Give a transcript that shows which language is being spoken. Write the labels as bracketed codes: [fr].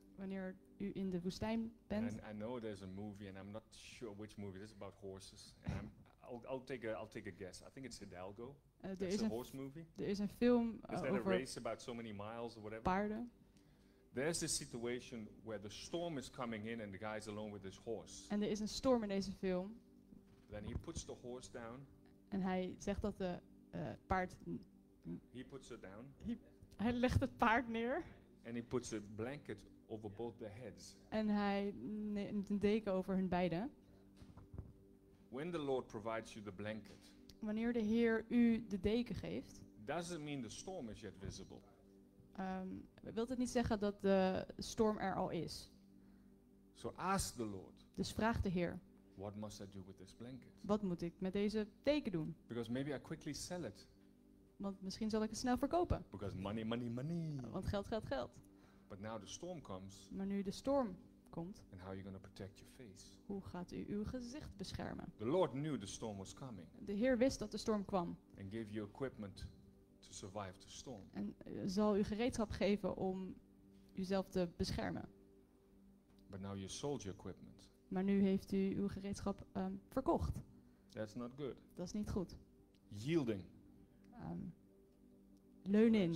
[nl] wanneer u in de woestijn bent. [en] And I know there's a movie and I'm not sure which movie. It's about horses. I'll take a guess. I think it's Hidalgo. It's a horse movie. There is [nl] een film [en] is [nl] over [en] a race about so many miles or whatever? [nl] Paarden. [en] There's a situation where the storm is coming in and the guy's alone with his horse. [nl] En er is een storm in deze film. [en] Then he puts the horse down. [nl] En hij zegt dat de paard. [en] He puts it down. [nl] Hij legt het paard neer. [en] And he puts a blanket over both their heads. [nl] En hij neemt een deken over hun beiden. [en] When the Lord provides you the blanket. [nl] Wanneer de Heer u de deken geeft. [en] Doesn't mean the storm is yet visible. [nl] Wilt het niet zeggen dat de storm er al is? [en] So ask the Lord. [nl] Dus vraag de Heer. [en] What must I do with this blanket? [nl] Wat moet ik met deze deken doen? [en] Because maybe I quickly sell it. [nl] Want misschien zal ik het snel verkopen. [en] Because money, money, money. [nl] Want geld, geld, geld. [en] But now the storm comes. [nl] Maar nu de storm komt. [en] And how are you going to protect your face? [nl] Hoe gaat u uw gezicht beschermen? [en] The Lord knew the storm was coming. [nl] De Heer wist dat de storm kwam. [en] And gave you equipment to survive the storm. [nl] En zal u gereedschap geven om uzelf te beschermen. [en] But now you sold your equipment. [nl] Maar nu heeft u uw gereedschap verkocht. [en] That's not good. [nl] Dat is niet goed. [en] Yielding. [nl] Leun in.